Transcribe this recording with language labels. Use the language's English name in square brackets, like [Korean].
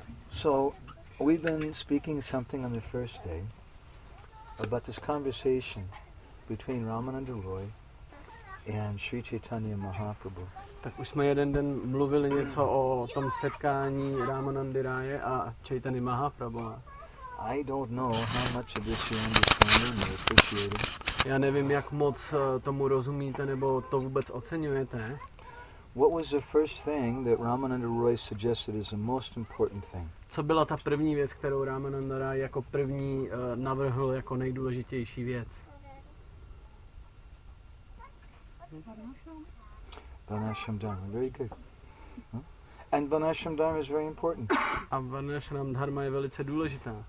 [English] So, we've been speaking something on the first day about this conversation between Ramananda Roy and Sri Chaitanya Mahaprabhu. [Czech] Tak už jsme jeden den mluvili něco o tom setkání Ramanandy Raye a Chaitany Mahaprabhu. [English] I don't know how much of this you understand or appreciate. [Czech] Já nevím, jak moc tomu rozumíte nebo to vůbec oceňujete. [English] What was the first thing that Ramananda Roy suggested as the most important thing? [Czech] Co byla ta první věc, kterou Ramananda Raye jako první navrhl jako nejdůležitější věc? [English] Vanashram Dharma, very good. And Vanashram Dharma is very important. [Czech] A Vanashram Dharma je velice důležitá.